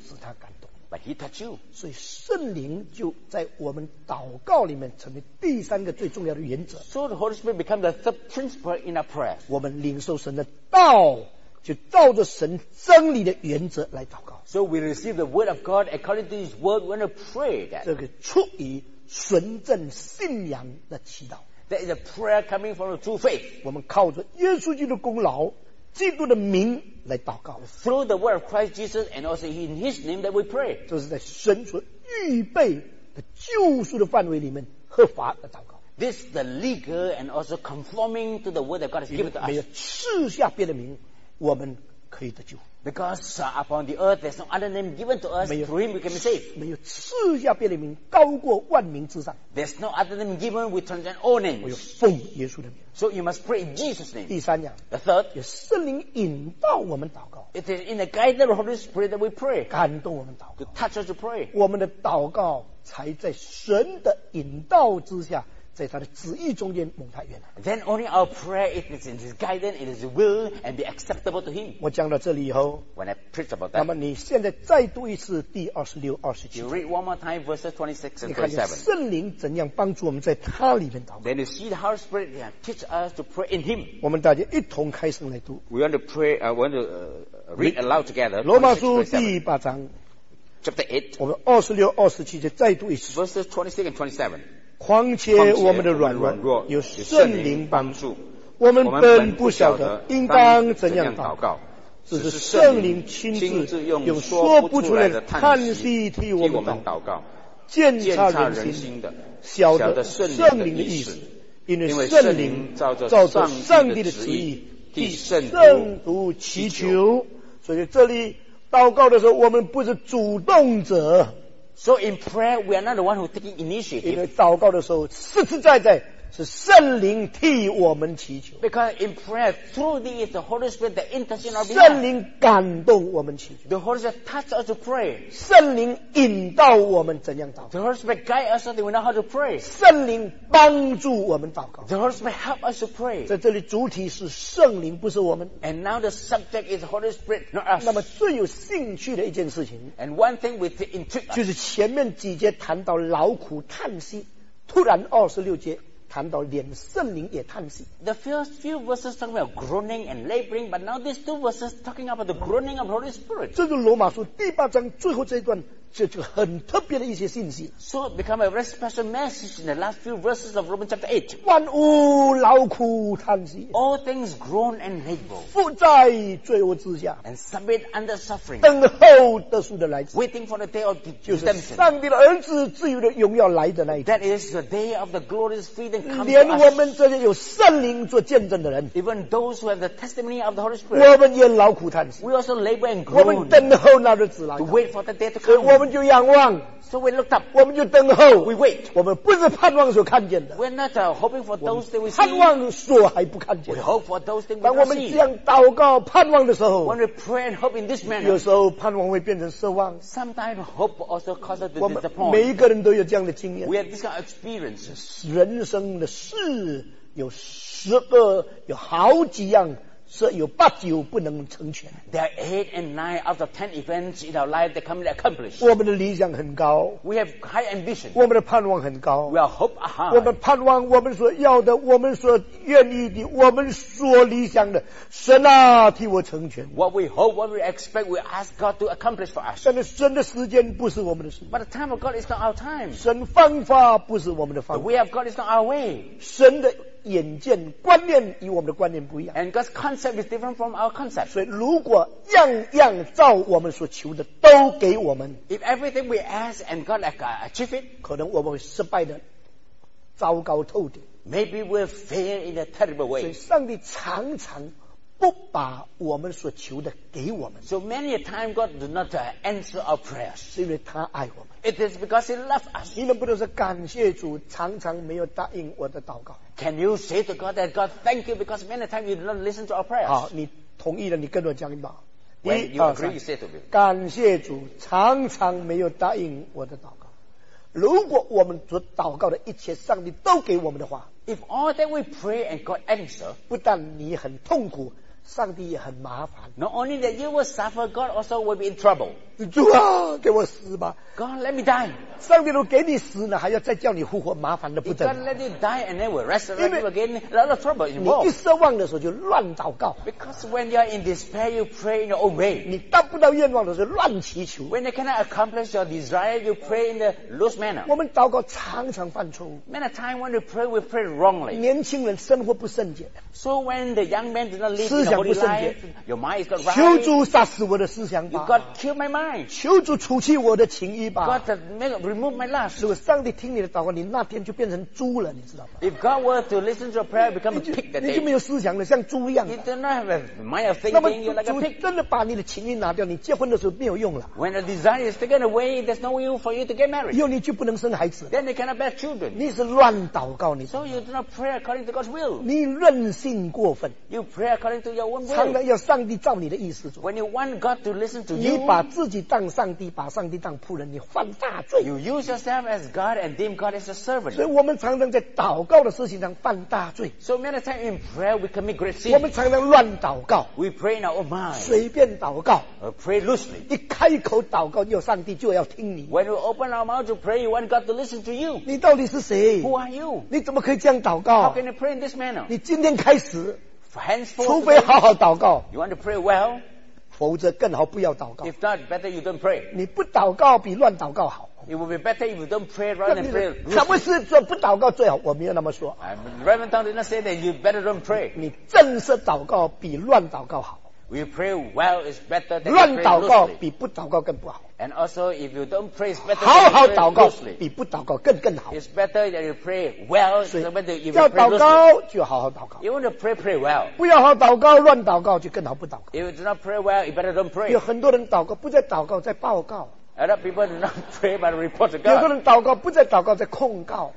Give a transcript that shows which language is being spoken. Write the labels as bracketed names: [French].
[Chinese] 是他感动 [English] ，But he touch you。 [Chinese] 所以圣灵就在我们祷告里面成为第三个最重要的原则。 [English] So the Holy Spirit becomes the third principle in our prayer。 [Chinese] 我们领受神的道，就照着神真理的原则来祷告。 [English] So we receive the word of God according to His word when we pray that。 [Chinese] 这个出于纯正信仰的祈祷。 [English] That is a prayer coming from the true faith. [Chinese] 我们靠着耶稣基督的功劳，基督的名来祷告。 [English] Through the word of Christ Jesus and also in His name that we pray. [Chinese] 这是在神所预备的救赎的范围里面合法的祷告。 [English] This is the legal and also conforming to the word that God has given to us. [Chinese] 没有赐下别的名，我们可以得救。 [English] Because upon the earth there's no other name given to us through him we can be saved. [Chinese] 没有赐下别的名高过万名之上。 [English] There's no other name given with transcendent all names. [Chinese] 我要奉耶稣的名。 [English] So you must pray in Jesus' name. [Chinese] 第三样。 [English] The third. [Chinese] 有圣灵引导我们祷告。 [English] It is in the guidance of the Holy Spirit that we pray. [Chinese] 感动我们祷告。 [English] To touch us to pray. [Chinese] 我们的祷告才在神的引导之下，在他的旨意中间蒙他悦纳。 [English] Then only our prayer if it's in His guidance, it is will and be acceptable to Him. [Chinese] 我讲到这里以后 [English] ，When I preach about that， [Chinese] 那么你现在再读一次第二十六、二十七。 [English] You read one more time verses 26 and 27。 [Chinese] 你看圣灵怎样帮助我们在他里面祷告。 [English] Then you see the Holy Spirit teach us to pray in Him. [Chinese] 我们大家一同开声来读。 [English] We want to pray. Want to read aloud together. [Chinese] 罗马书第八章 [English] ，Chapter 8。 [Chinese] 我们二十六、二十七节再读一次 [English] ，Verses 26 and 27。 [Chinese] 况且我们的软弱有圣灵帮助，我们本不晓得应当怎样祷告，只是圣灵亲自用说不出来的叹息替我们祷告，鉴察人心的，晓得圣灵的意思，因为圣灵照着上帝的旨意替圣徒祈求。所以这里祷告的时候，我们不是主动者。 [English] So in prayer, we are not the one who taking initiative. [Chinese] 因为祷告的时候，实实在在是圣灵替我们祈求。 [English] Because in prayer, through this, the Holy Spirit that intercedes our behalf. [Chinese] 圣灵感动我们祈求。 [English] The Holy Spirit touch us to pray. [Chinese] 圣灵引导我们怎样祷告。 [English] The Holy Spirit guide us so that we know how to pray. [Chinese] 圣灵帮助我们祷告。 [English] The Holy Spirit help us to pray. [Chinese] 在这里主体是圣灵，不是我们。 [English] And now the subject is the Holy Spirit, not us. [Chinese] 那么最有兴趣的一件事情。 [English] And one thing we take into us. [Chinese] 就是前面几节谈到劳苦叹息，突然二十六节。谈到连圣灵也叹息。 [English] The first few verses talking about groaning and laboring, but now these two verses talking about the groaning of the Holy Spirit. [Chinese] 这是罗马书第八章最后这一段，这很特别的一些信息。 [English] So it become a very special message in the last few verses of Romans chapter 8. [Chinese] 万物劳苦叹息。 [English] All things groan and labor. [Chinese] 伏在罪恶之下。 [English] And submit under suffering. [Chinese] 等候得赦的来自。 [English] Waiting for the day of redemption. [Chinese] 就是上帝的儿子自由的荣耀来的那一天。 [English] That is the day of the glorious freedom coming. [Chinese] 连我们这些有圣灵做见证的人。 [English] Even those who have the testimony of the Holy Spirit. [Chinese] 我们也劳苦叹息。 [English] We also labor and groan. [Chinese] 我们等候那日子来。 [English] To wait for the day to come. [Chinese] 我们就仰望， [English] so we looked up， [Chinese] 我们就等候， [English] we wait， [Chinese] 我们不是盼望所看见的， [English] we're not hoping for those that we see， [Chinese] 盼望所还不看见， [English] we hope for those things we [Chinese] see。 当我们这样祷告盼望的时候， [English] when we pray and hope in this manner， [Chinese] 有时候盼望会变成奢望， [English] sometimes hope also causes us to disappoint。 [Chinese] 每一个人都有这样的经验， [English] we have this kind of experience。 [Chinese] 人生的事有十个，有好几样是有八九不能成全。 [English] There are eight and nine out of ten events in our life that can be accomplished. [Chinese] 我们的理想很高。 [English] We have high ambition. [Chinese] 我们的盼望很高。 [English] We are hope high. [Chinese] 我们盼望我们所要的，我们所愿意的，我们所理想的，神啊，替我成全。 [English] What we hope, what we expect, we ask God to accomplish for us. [Chinese] 但是神的时间不是我们的时间。 [English] But the time of God is not our time. [Chinese] 神方法不是我们的方法。 [English] The way of God is not our way. [Chinese] 神的眼见观念与我们的观念不一样。 [English] And God's concept is different from our concept. [Chinese] 所以如果样样照我们所求的都给我们， [English] If everything we ask and God achieve it, [Chinese] 可能我们会失败的糟糕透顶。 [English] Maybe we'll fail in a terrible way. [Chinese] 所以上帝常常不把我们所求的给我们。 [English] So many a time God does not answer our prayers. [Chinese] 是因为他爱我们。 [English] It is because He loves us. [Chinese] 你能不能说感谢主常常没有答应我的祷告？ [English] Can you say to God that God thank you because many a time you do not listen to our prayers? [Chinese] 好，你同意了，你跟我讲吧。 [English] When you agree, you say to me. [Chinese] 感谢主常常没有答应我的祷告。如果我们所祷告的一切上帝都给我们的话， [English] If all that we pray and God answer， [Chinese] 不但你很痛苦，上帝也很麻烦。 [English] Not only that you will suffer， God also will be in trouble。 [Chinese] 主啊，给我死吧。 [English] God let me die。 [Chinese] 上帝都给你死了，还要再叫你复活，麻烦得不得 [English] 了。God let you die and then will resurrect you again， a lot of trouble involved。 [Chinese] 你一失望的时候就乱祷告。 [English] Because when you are in despair you pray in your own way。 [Chinese] 你达不到愿望的时候乱祈求。 [English] When you cannot accomplish your desire you pray in a loose manner。 [Chinese] 我们祷告常常犯错误。 [English] Many times when you pray we pray wrongly。 [Chinese] 年轻人生活不圣洁。 [English] So when the young man did not live [Chinese] Life, 求主杀死我的思想吧。 [English] You got kill my mind. [Chinese] 求主除去我的情欲吧。 [English] God remove my lust. [Chinese] 如果上帝听你的祷告，你那天就变成猪了，你知道吗 [English] ？If God were to listen to your prayer, you become a pig that day. [Chinese] 你就没有思想了，像猪一样。 [English] You do not have a mind of thinking. You're like a pig. [Chinese] 真的把你的情欲拿掉，你结婚的时候没有用了。 [English] When the desire is taken away, there's no use for you to get married. [Chinese] 又你就不能生孩子。 [English] Then you cannot bear children. [Chinese] 你是乱祷告，你。 [English] So you do not pray according to God's will. [Chinese] 你任性过分。 [English] You pray according to your [Chinese] 常常要上帝照你的意思做。 [English] When you want God to listen to you, [Chinese] 你把自己当上帝，把上帝当仆人，你犯大罪。 [English] You use yourself as God and deem God as a servant. [Chinese] 所以我们常常在祷告的事情上犯大罪。 [English] So many times in prayer we commit great sin. [Chinese] 我们常常乱祷告。 [English] We pray in our own mind. [Chinese] 随便祷告。 [English] Pray loosely. [Chinese] 一开口祷告，有上帝就要听你。 [English] When we open our mouth to pray, you want God to listen to you. [Chinese] 你到底是谁 [English] ？Who are you? [Chinese] 你怎么可以这样祷告 [English] ？How can you pray in this manner? [Chinese] 你今天开始。 [English] Henceforth, [Chinese] 除非好好祷告 [English] you want to pray well, [Chinese] 否则更好不要祷告 [English] if not, better you don't pray. [Chinese] 你不祷告比乱祷告好 [English] It would be better if you don't pray rather than pray loosely. [Chinese] 什么事做不祷告最好我没有那么说 [English] Reverend Tong did not say that you better don't pray. [Chinese] 你正式祷告比乱祷告好 [English] We pray well is better than pray loosely. [Chinese] 乱祷告比不祷告更不好 [English] And also if you don't pray, it's better than pray [Chinese] 好好祷告比不祷告更好 [English] It's better that you pray well is better than you pray [Chinese] loosely. 要祷告就好好祷告 [English] You want to pray, pray well. [Chinese] 不要好祷告乱祷告就更好不祷告 [English] If you do not pray well, you better don't pray. [Chinese] 有很多人祷告不在祷告在报告 [English] A lot of people do not pray but report to God. [Chinese] 有的人祷告不在祷告在控告